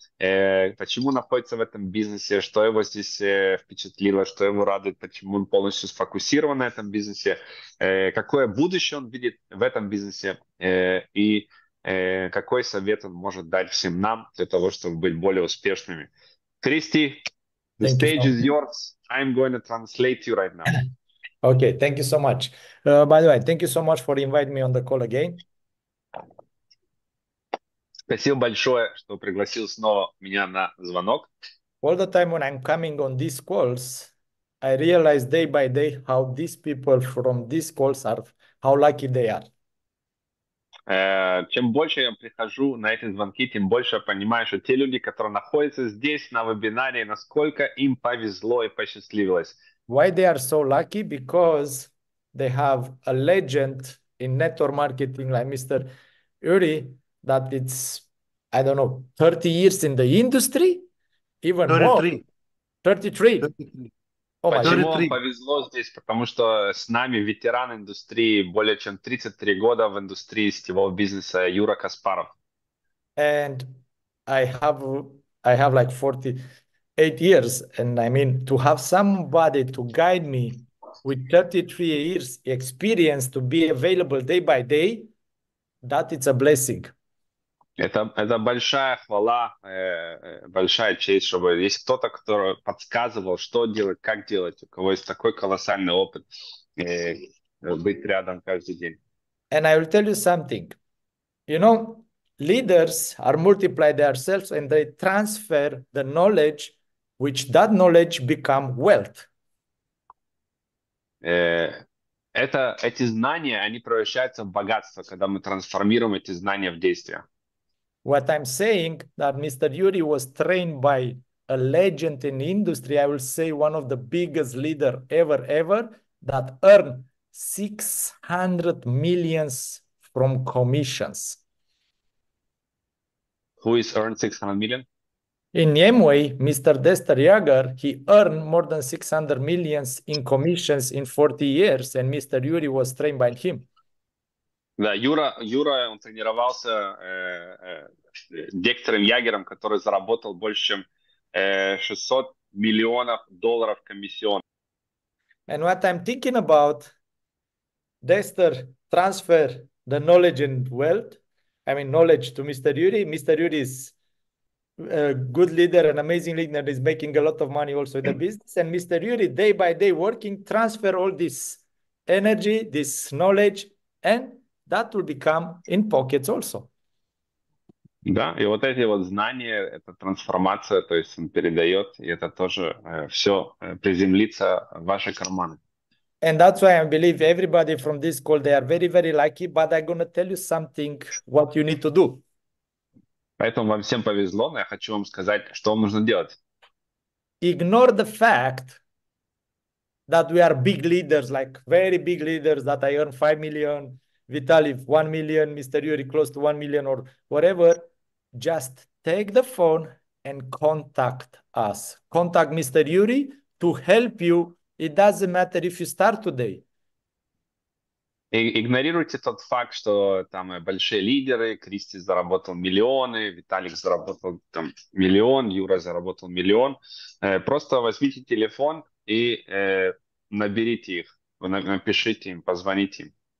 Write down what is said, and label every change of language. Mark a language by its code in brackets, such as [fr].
[ru] почему находится в этом бизнесе, что его здесь впечатлило, что его радует, почему он полностью сфокусирован на этом бизнесе, какое будущее он видит в этом бизнесе и какой совет он может дать всем нам для того, чтобы быть более успешными. [en] Кристи, the Thank you stage so is yours. I'm going to translate you right now. much. Okay, thank you so much. By the way, thank you so much for inviting me on the call again. [ru] Спасибо большое, что пригласил снова меня на звонок. [en] All the time when I'm coming on these calls, I realize day by day how these people from these calls are, how lucky they are. [ru] Чем больше я прихожу на эти звонки, тем больше я понимаю, что те люди, которые находятся здесь на вебинаре, насколько им повезло и посчастливилось. [en] Why they are so lucky? Because they have a legend in network marketing like Mr. Uri, that it's, I don't know, 30 years in the industry, even more, 33. 33. Oh my [ru] Почему вам [en] 33. [ru] повезло здесь? Потому что с нами ветеран индустрии, более чем 33 года в индустрии сетевого бизнеса Юра Каспаров. [en] And I have like 40. 8 years, and I mean to have somebody to guide me with 33 years experience to be available day by day, that it's a blessing. [ru] Это большая хвала, большая честь, чтобы есть кто-то, кто подсказывал, что делать, как делать, у кого есть такой колоссальный опыт, быть рядом каждый день. [en] And I will tell you something. You know, leaders are multiplied themselves and they transfer the knowledge. Which that knowledge become wealth. [ru] Эти знания, они превращаются в богатство, когда мы трансформируем эти знания в действия. [en] What I'm saying that Mr. Yuri was trained by a legend in the industry, I will say one of the biggest leader ever, that earned 600 millions from commissions. Who is earned 600 million? In Amway, Mr. Dester Yager, he earned more than 600 millions in commissions in 40 years, and Mr. Yuri was trained by him. [ru] Да, Юра, он тренировался Дегтярем Ягером, который заработал больше, чем 600 миллионов долларов комиссионных. [en] And what I'm thinking about, Dester transfer the knowledge and wealth, I mean knowledge to Mr. Yuri. Mr. Yuri is a good leader, an amazing leader that is making a lot of money also in the business. And Mr. Yuri, day by day working, transfer all this energy, this knowledge, and that will become in pockets also. [ru] Да, и вот эти вот знания, это трансформация, то есть он передает, и это тоже все приземлится в ваши карманы. [en] And that's why I believe everybody from this call, they are very lucky, but I'm going to tell you something, what you need to do. [ru] Поэтому вам всем повезло, но я хочу вам сказать, что вам нужно делать. [en] Ignore the fact that we are big leaders, like very big leaders, that I earn 5 million, Vitaly 1 million, Mr. Yuri close to 1 million or whatever. Just take the phone and contact us. Contact Mr. Yuri to help you. It doesn't matter if you start today. [ru] Игнорируйте тот факт, что там большие лидеры, Кристи заработал миллионы, Виталик заработал там миллион, Юра заработал миллион. Просто возьмите телефон и наберите их, напишите им, позвоните им.